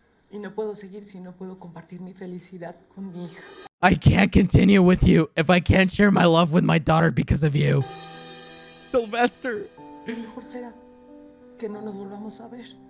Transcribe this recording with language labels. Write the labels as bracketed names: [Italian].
[Spanish] Y no puedo seguir si no puedo compartir mi felicidad con mi hija. [English] I can't continue with you if I can't share my love with my daughter because of you. Sylvester. [Spanish] Mejor será que no nos volvamos a ver.